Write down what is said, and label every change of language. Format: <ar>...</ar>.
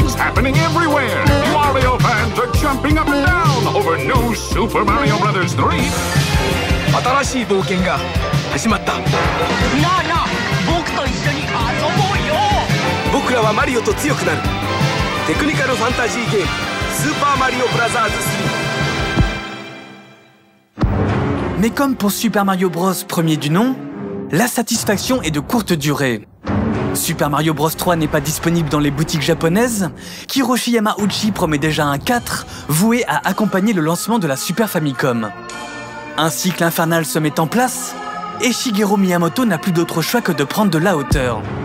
<en>It's happening everywhere. Mario fans are jumping up and down. over New Super Mario Brothers 3.</en> <ja>新しい冒険が始まった。なあなあ、僕と一緒に遊ぼうよ。僕らはマリオと強くなる。テクニカルファンタジーゲーム、スーパーマリオブラザーズ3。</ja> <fr>Mais comme pour Super Mario Bros. Premier du nom, la satisfaction est de courte durée. Super Mario Bros. 3 n'est pas disponible dans les boutiques japonaises. Kiroshi Yamauchi promet déjà un 4, voué à accompagner le lancement de la Super Famicom. Un cycle infernal se met en place, et Shigeru Miyamoto n'a plus d'autre choix que de prendre de la hauteur.</fr>